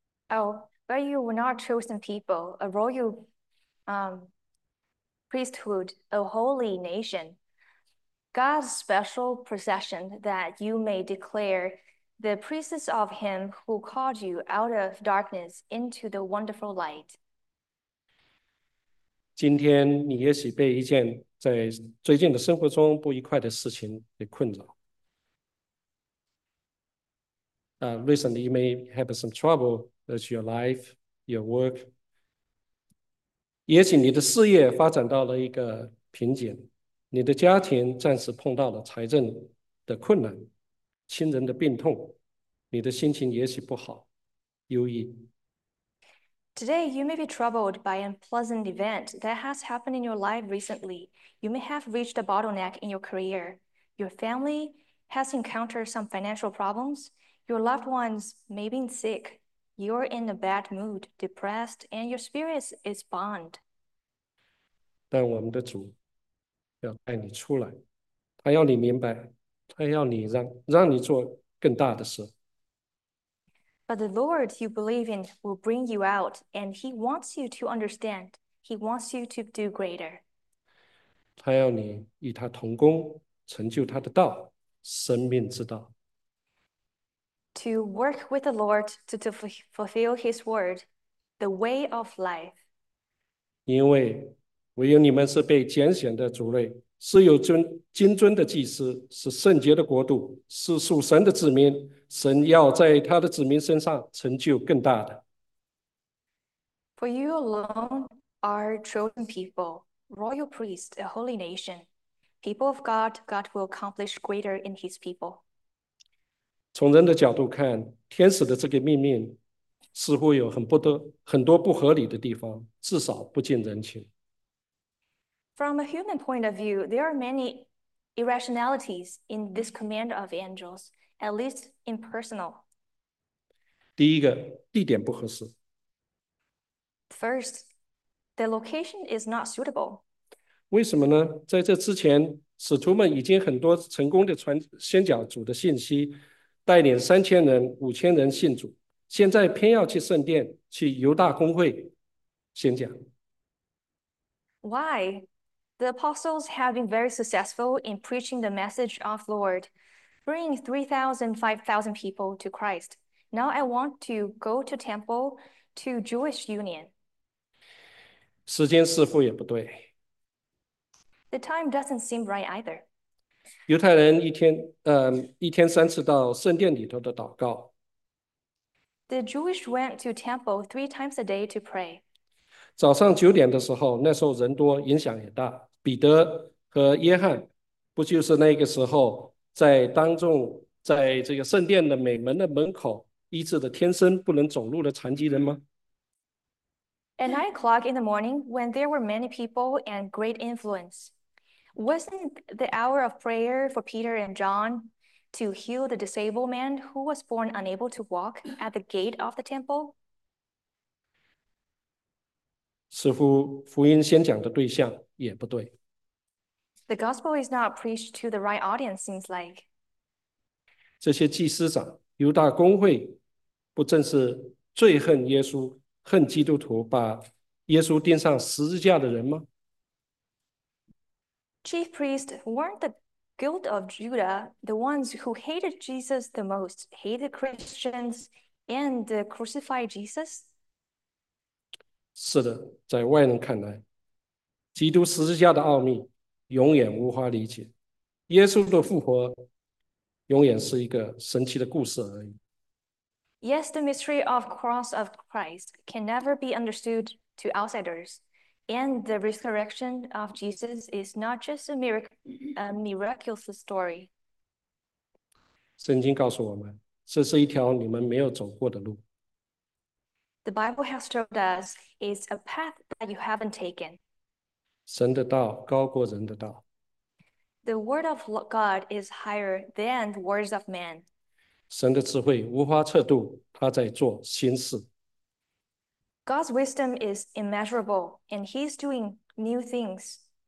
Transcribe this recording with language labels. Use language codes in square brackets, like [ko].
[en] Oh, but you were not chosen people, a royal priesthood, a holy nation, God's special possession, that you may declare the praises of him who called you out of darkness into the wonderful light. [zh] 今天你也许被一件在最近的生活中不愉快的事情给困扰。 [en] Recently, you may have some trouble with your life, your work. [zh] 也许你的事业发展到了一个瓶颈，你的家庭暂时碰到了财政的困难，亲人的病痛，你的心情也许不好，忧郁。 [en] Today, you may be troubled by an unpleasant event that has happened in your life recently. You may have reached a bottleneck in your career. Your family has encountered some financial problems. Your loved ones may be sick. You're in a bad mood, depressed, and your spirit is bound. [zh] 但我们的主要带你出来，他要你明白，他要你让你做更大的事。 [en] But the Lord you believe in will bring you out, and he wants you to understand. He wants you to do greater. [zh] 他要你与他同工，成就他的道，生命之道。 [en] To work with the Lord to fulfill his word, the way of life. [zh] 因为唯有你们是被拣选的族类，是有金尊的祭司，是圣洁的国度，是属神的子民，神要在他的子民身上成就更大的。 [en] For you alone are chosen people, royal priests, a holy nation, people of God. God will accomplish greater in his people. [zh] 从人的角度看，天使的这个命令似乎有很多不合理的地方，至少不近人情。 [en] From a human point of view, there are many irrationalities in this command of angels, at least impersonal. [zh] 第一个，地点不合适。 [en] First, the location is not suitable. [zh] 为什么呢？在这之前，使徒们已经很多成功的传宣讲主的信息，带领3000人、5000人信主，现在偏要去圣殿，去犹大公会宣讲。 [en] Why? The apostles have been very successful in preaching the message of the Lord, bringing 3,000, 5,000 people to Christ. Now I want to go to temple to Jewish Union. [zh] 时间似乎也不对。 [en] The time doesn't seem right either. [zh] 犹太人一天3次到圣殿里头的祷告。 [en] The Jewish went to temple 3 times a day to pray. [zh] 早上9点的时候，那时候人多，影响也大。彼得和约翰，不就是那个时候在当众，在这个圣殿的每门的门口医治的天生不能走路的残疾人吗？ [en] At 9 o'clock in the morning, when there were many people and great influence, wasn't the hour of prayer for Peter and John to heal the disabled man who was born unable to walk at the gate of the temple? [zh] 似乎福音宣讲的对象也不对。 [en] The gospel is not preached to the right audience, seems like. [zh] 这些祭司长、犹大公会，不正是最恨耶稣、恨基督徒、把耶稣钉上十字架的人吗？ [en] Chief priests weren't the guild of Judah, the ones who hated Jesus the most, hated Christians and crucified Jesus? [zh] 是的，在外人看来，基督十字架的奥秘永远无法理解，耶稣的复活永远是一个神奇的故事而已。 [en] Yes, the mystery of cross of Christ can never be understood to outsiders. And the resurrection of Jesus is not just a miraculous story. [zh] 圣经告诉我们，这是一条你们没有走过的路。 [en] The Bible has told us it's a path that you haven't taken. [zh] 神的道高过人的道， [en] The word of God is higher than the words of man. [zh] 神的智慧无法测度，他在做新事。 [en] God's wisdom is immeasurable, and He's doing new things.